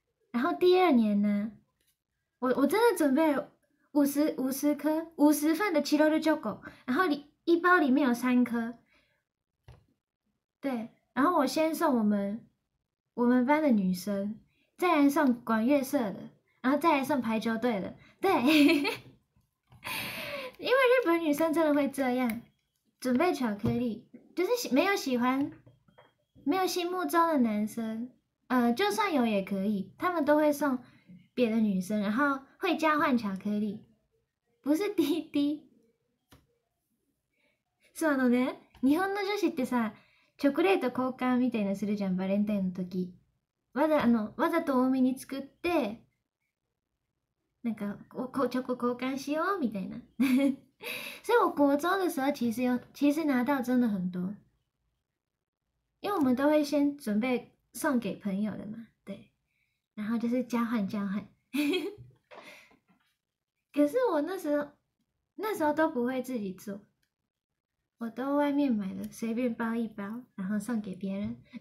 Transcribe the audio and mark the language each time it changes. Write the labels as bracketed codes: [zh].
[zh] 然后第二年呢，我真的准备了50份的奇洛的 choco， 然后一包里面有3颗，对，然后我先送我们班的女生，再来送管乐社的，然后再来送排球队的，对，因为日本女生真的会这样，准备巧克力，就是没有心目中的男生。就算有也可以，他们都会送别的女生，然后会交换巧克力，不是滴滴。 [ja] そうあのね、日本の女子ってさ、チョコレート交換みたいなするじゃん、バレンタインの時。わざと多めに作って、なんかチョコ交換しようみたいな。 [zh] 所以我国中的时候其实拿到真的很多，因为我们都会先准备。送给朋友的嘛，对，然后就是交换。可是我那时候都不会自己做，我都外面买的，随便包一包，然后送给别人。